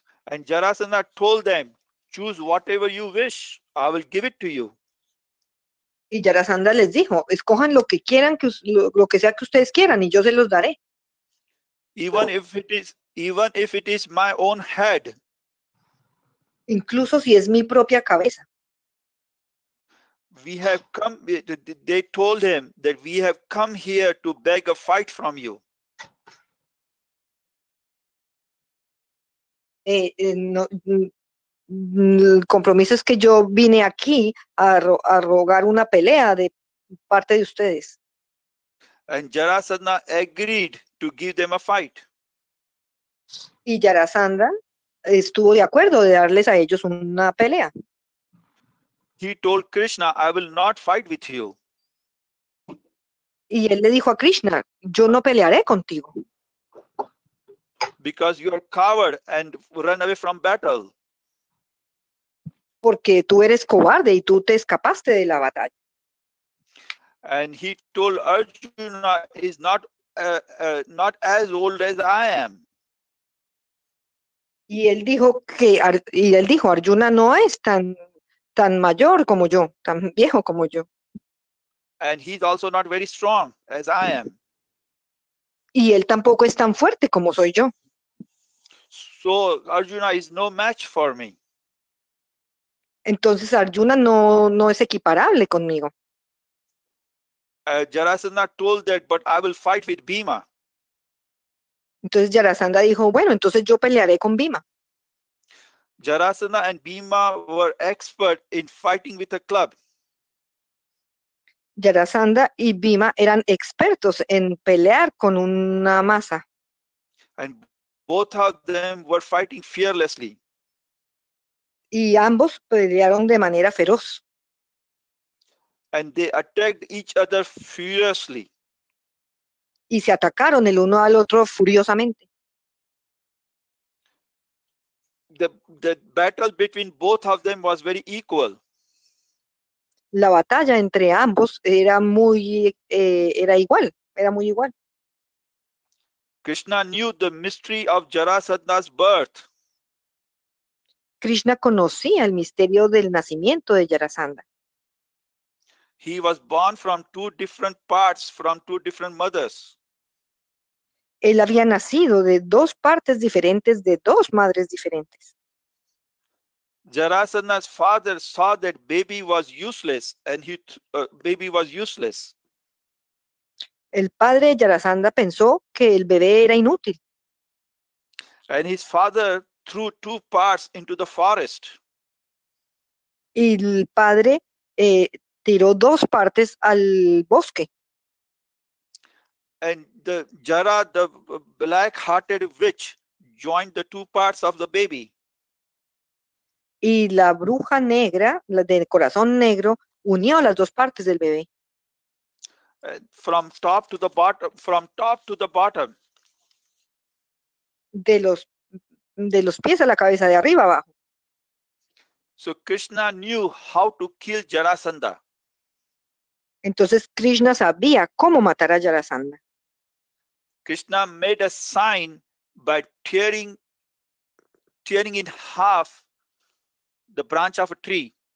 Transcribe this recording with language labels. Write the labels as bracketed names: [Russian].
[English] And Jarasandha told them, choose whatever you wish, I will give it to you. [Spanish] Y Jarasandha les dijo, escojan lo que quieran, lo que sea que ustedes quieran, y yo se los daré. [English] Even if it is my own head. [Spanish] incluso si es mi propia cabeza. [English] We have come, they told him that we have come here to beg a fight from you. [Spanish] El compromiso es que yo vine aquí a rogar una pelea de parte de ustedes. [English] And Jarasandha agreed to give them a fight. [Spanish] Y Jarasandha estuvo de acuerdo de darles a ellos una pelea. [English] He told Krishna, I will not fight with you. [Spanish] Y él le dijo a Krishna, yo no pelearé contigo. [English] Because you are coward and run away from battle. [Spanish] Porque tú eres cobarde y tú te escapaste de la batalla. [English] And he told Arjuna, he's not not as old as I am. [Spanish] Y él dijo, Arjuna no es tan mayor como yo, tan viejo como yo. [English] And he's also not very strong as I am. [Spanish] Y él tampoco es tan fuerte como soy yo. [English] So Arjuna is no match for me. [Spanish] Entonces Arjuna no es equiparable conmigo. [English] Jarasandha told that, but I will fight with Bhima. [Spanish] Entonces Jarasandha dijo, bueno, entonces yo pelearé con Bhima. [English] Jarasandha and Bhima were expert in fighting with a club. [Spanish] Jarasandha y Bhima eran expertos en pelear con una maza. [English] And both of them were fighting fearlessly. [Spanish] Y ambos pelearon de manera feroz. [English] And they attacked each other furiously. [Spanish] Y se atacaron el uno al otro furiosamente. [English] The battle between both of them was very equal. [Spanish] La batalla entre ambos era muy igual. [English] Krishna knew the mystery of Jarasandha's birth. [Spanish] Krishna conocía el misterio del nacimiento de Jarasandha. [English] He was born from two different parts, from two different mothers. [Spanish] Él había nacido de dos partes diferentes, de dos madres diferentes. [English] Jarasandha's father saw that baby was useless, and baby was useless. [Spanish] El padre de Jarasandha pensó que el bebé era inútil. [English] And his father threw two parts into the forest. [Spanish] Y el padre tiró dos partes al bosque. [English] And the Jara, the black-hearted witch, joined the two parts of the baby. [Spanish] Y la bruja negra, la del corazón negro, unió las dos partes del bebé. [English] From top to the bottom, from top to the bottom. [Spanish] De los pies a la cabeza, de arriba abajo. [English] So Krishna knew how to kill Jarasandha. [Spanish] Entonces Krishna sabía cómo matar a Jarasandha. [English] Krishna made a sign by tearing in half the branch of a tree.